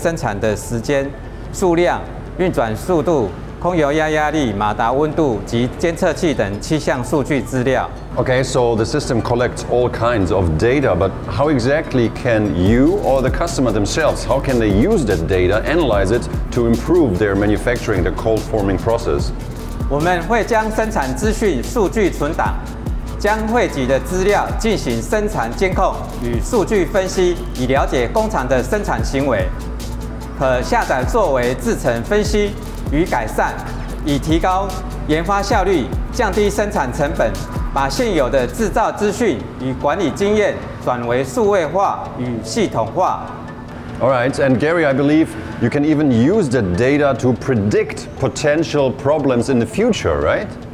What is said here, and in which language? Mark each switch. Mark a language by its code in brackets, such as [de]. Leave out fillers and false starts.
[zh] 是的，我们为了提升工作效率，在机台控制器上的界面也做了非常多的优化，一页式可呈现机台生产的时间、数量、运转速度、 空油压压力、马达温度及监测器等气象数据资料。 [en] Okay, so the system collects all kinds of data, but how exactly can you or the customer themselves, how can they use that data, analyze it to improve their manufacturing, the cold forming process? [zh] 我们会将生产资讯、数据存档，将汇集的资料进行生产监控与数据分析，以了解工厂的生产行为，可下载作为制程分析与改善。以提高研发效率，降低生产成本，把现有的制造资讯与管理经验转为数位化与系统化。 [en] All right, and Gary, I believe you can even use the data to predict potential problems in the future, right?